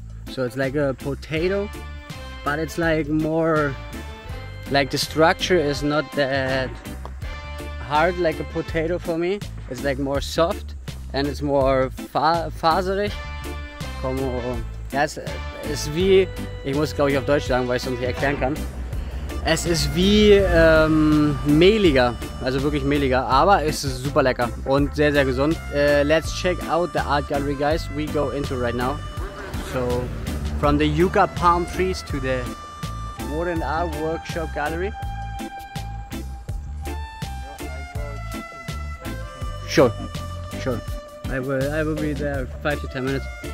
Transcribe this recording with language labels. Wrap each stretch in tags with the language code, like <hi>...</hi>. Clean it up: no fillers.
<en>So it's like a potato. But it's like more, like the structure is not that hard like a potato for me. It's like more soft and it's more faserig.</en> <de>Como, es ist wie, ich muss glaube ich auf Deutsch sagen, weil ich es nicht erklären kann. Es ist wie mehliger, also wirklich mehliger, aber es ist super lecker und sehr, sehr gesund.</de> <en>Let's check out the art gallery, guys. We go into right now. So. From the yucca palm trees to the wooden art workshop gallery. Sure, sure. I will be there 5 to 10 minutes.</en>